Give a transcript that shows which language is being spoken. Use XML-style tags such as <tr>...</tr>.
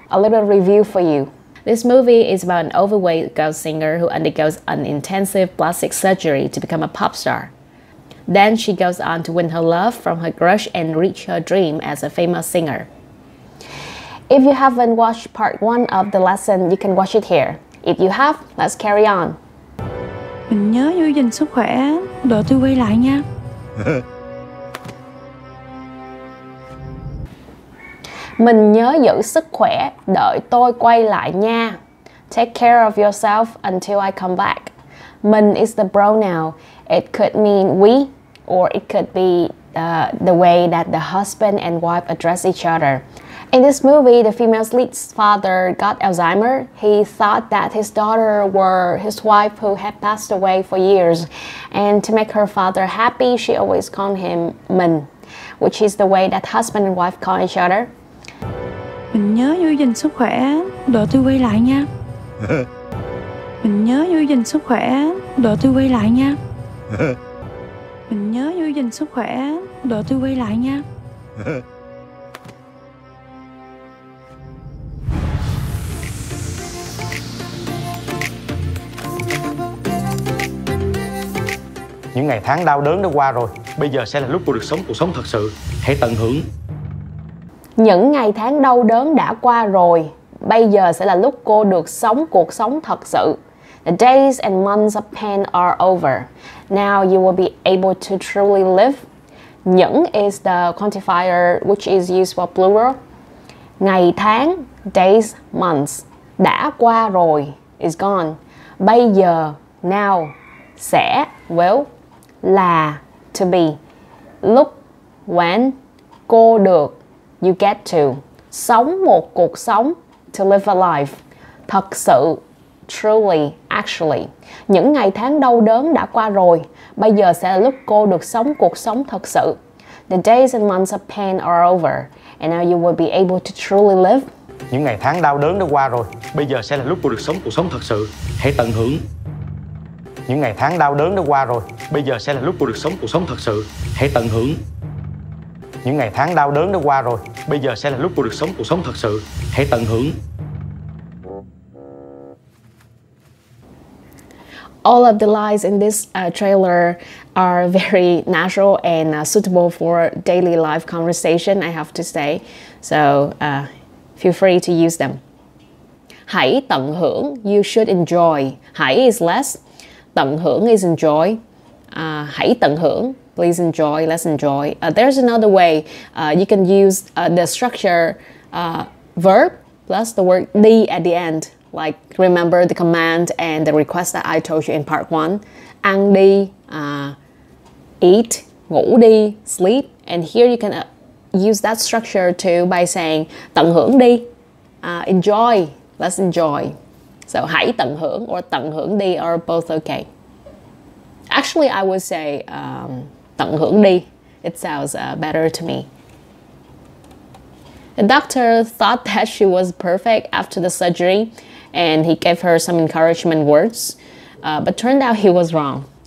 <en>A little review for you. This movie is about an overweight girl singer who undergoes an intensive plastic surgery to become a pop star. Then she goes on to win her love from her crush and reach her dream as a famous singer. If you haven't watched part 1 of the lesson, you can watch it here. If you have, let's carry on.</en> <vi>Mình nhớ giữ gìn sức khỏe, đợi tôi quay lại nha. Mình nhớ giữ sức khỏe, đợi tôi quay lại nha.</vi> <en>Take care of yourself until I come back. Mình is the pronoun. It could mean we, or it could be the way that the husband and wife address each other. In this movie, the female's lead's father got Alzheimer. He thought that his daughter were his wife who had passed away for years. And to make her father happy, she always called him Mình, which is the way that husband and wife call each other.</en> <vi>Mình nhớ giữ gìn sức khỏe, đợi tôi quay lại nha. Mình nhớ giữ gìn sức khỏe, đợi tôi quay lại nha. Mình nhớ giữ gìn sức khỏe, đợi tôi quay lại nha. Những ngày tháng đau đớn đã qua rồi, bây giờ sẽ là lúc cô được sống cuộc sống thật sự. Hãy tận hưởng. Những ngày tháng đau đớn đã qua rồi, bây giờ sẽ là lúc cô được sống cuộc sống thật sự.</vi> <en>The days and months of pain are over. Now you will be able to truly live. Những is the quantifier which is used for plural.</en> <vi>Ngày tháng,</vi> <en>days, months.</en> <vi>Đã qua rồi,</vi> <en>is gone.</en> <vi>Bây giờ, now. Sẽ, will.</vi> <en>Là, to be. Lúc, when.</en> <vi>Cô được,</vi> <en>you get to.</en> <vi>Sống một cuộc sống,</vi> <en>to live a life.</en> <vi>Thật sự,</vi> <en>truly, actually.</en> <vi>Những ngày tháng đau đớn đã qua rồi, bây giờ sẽ là lúc cô được sống cuộc sống thật sự.</vi> <en>The days and months of pain are over, and now you will be able to truly live.</en> <vi>Những ngày tháng đau đớn đã qua rồi, bây giờ sẽ là lúc cô được sống cuộc sống thật sự. Hãy tận hưởng. Những ngày tháng đau đớn đã qua rồi, bây giờ sẽ là lúc cô được sống cuộc sống thật sự. Hãy tận hưởng. Những ngày tháng đau đớn đã qua rồi, bây giờ sẽ là lúc cô được sống cuộc sống thật sự. Hãy tận hưởng.</vi> <en>All of the lines in this trailer are very natural and suitable for daily life conversation, I have to say. So feel free to use them.</en> <vi>Hãy tận hưởng,</vi> <en>you should enjoy. Hãy is less,</en> <vi>tận hưởng</vi> <en>is enjoy.</en> <vi>Hãy tận hưởng,</vi> <en>please enjoy, let's enjoy. There's another way. You can use the structure verb plus the word đi at the end. Like, remember the command and the request that I told you in part 1.</en> <vi>Ăn đi, eat, ngủ đi, sleep.</vi> <en>And here you can use that structure too by saying</en> <vi>tận hưởng đi,</vi> <en>enjoy, let's enjoy. So</en> <vi>hãy tận hưởng</vi> <en>or</en> <vi>tận hưởng đi</vi> <en>are both okay. Actually, I would say tận hưởng đi. It sounds better to me. The doctor thought that she was perfect after the surgery, and he gave her some encouragement words, but turned out he was wrong.</en>